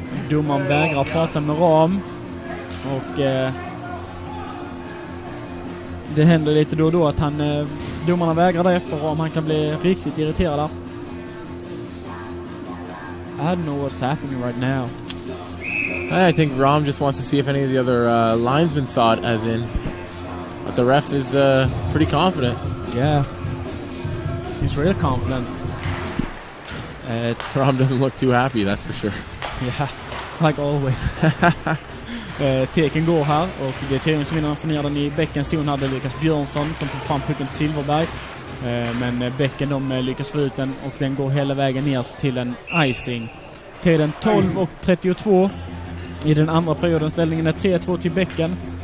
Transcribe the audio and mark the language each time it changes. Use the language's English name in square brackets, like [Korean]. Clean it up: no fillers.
[Swedish] Domaren vägrar prata med Ram. Och det händer lite då och då att han domarna vägrar det, för Ram han kan bli riktigt irriterad. I don't know what's happening right now. [English] I think Rom just wants to see if any of the other linesmen saw it as in. But the ref is pretty confident. Yeah. He's really confident. Rom doesn't look too happy, that's for sure. Yeah, like always. [Swedish] Teken går här och det är Teken som vinner, får ner den i Bäckens zon här. Det är Lukas Björnsson som får fram pucken till Silverberg. Men Bäcken de lyckas få ut den och den går hela vägen ner till en icing. Tiden 12:32. I den andra perioden, ställningen är 3-2 till Bäcken.